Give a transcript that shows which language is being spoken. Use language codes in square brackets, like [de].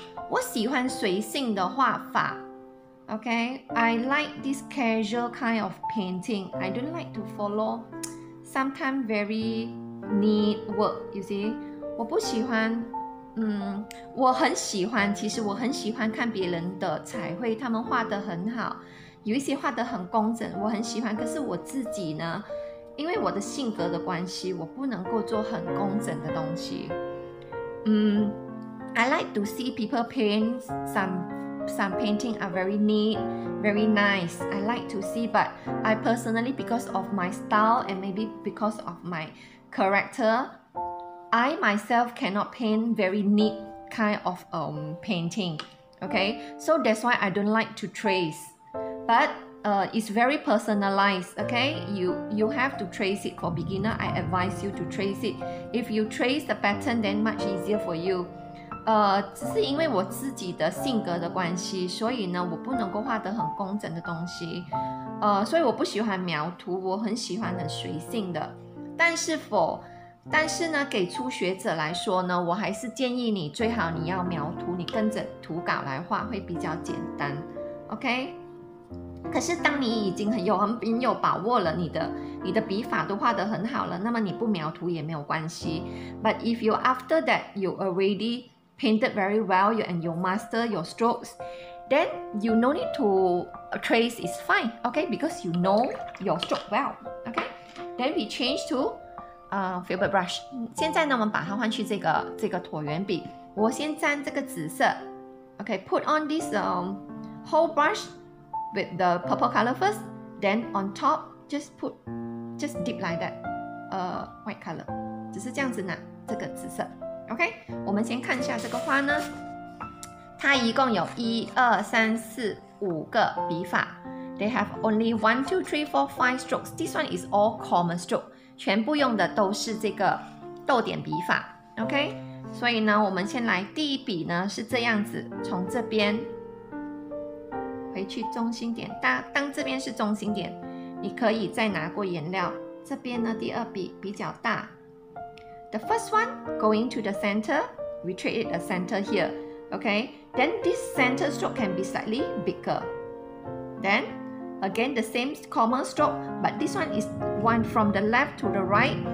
[zh] 我喜欢随性的画法 ，OK。 [en] I like this casual kind of painting. I don't like to follow sometimes very neat work. You see， [zh] 我不喜欢。我很喜欢，其实我很喜欢看别人的彩绘，他们画得很好，有一些画得很工整，我很喜欢。可是我自己呢，因为我的性格的关系，我不能够做很工整的东西。 [en] I like to see people paint some painting are very neat, very nice. I like to see, but I personally, because of my style and maybe because of my character,I myself cannot paint very neat kind of painting, okay? So that's why I don't like to trace. But it's very personalized, okay? You have to trace it. For beginner, I advise you to trace it. If you trace the pattern, then much easier for you. [zh] 只是因为我自己的性格的关系，所以呢，我不能够画得很工整的东西。所以我不喜欢描图，我很喜欢很随性的。但是呢，给初学者来说呢，我还是建议你最好你要描图，你跟着图稿来画会比较简单 ，OK？可是当你已经很有把握了，你的笔法都画得很好了，那么你不描图也没有关系。 [en] But if you after that you already painted very well, you master your strokes, then you no need to trace. It's fine, OK? Because you know your stroke well, OK? Then we change to. Filbert brush. [zh] 现在呢，我们把它换去这个椭圆笔。我先沾这个紫色。 [en] Okay, put on this whole brush with the purple color first. Then on top, just dip like that. White color. [zh] 只是这样子拿这个紫色。 Okay, 我们先看一下这个花呢。它一共有1、2、3、4、5个笔法。 [en] They have only 1, 2, 3, 4, 5 strokes. This one is all common stroke. [zh] 全部用的都是这个逗点笔法 ，OK。所以呢，我们先来第一笔呢是这样子，从这边回去中心点。当这边是中心点，你可以再拿过颜料。这边呢，第二笔比较大。 [en] The first one going to the center, we treat it a center here, OK. Then this center stroke can be slightly bigger. Then. Again, the same common stroke, but this one is one from the left to the right.